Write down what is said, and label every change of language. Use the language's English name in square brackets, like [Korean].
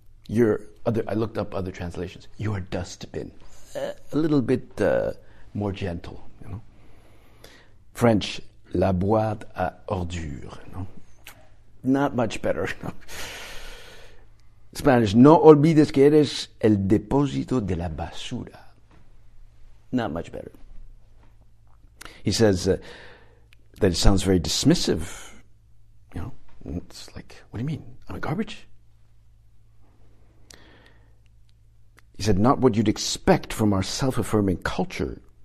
[English] I looked up other translations. You're a dustbin. A little bit more gentle, you know. French, [French] la boîte à ordures, [English] you know. Not much better, you know. [Spanish] Spanish, no olvides que eres el depósito de la basura. [English] Not much better. He says, that it sounds very dismissive, you know. It's like, what do you mean? I'm a garbage? He said, not what you'd expect from our self-affirming culture,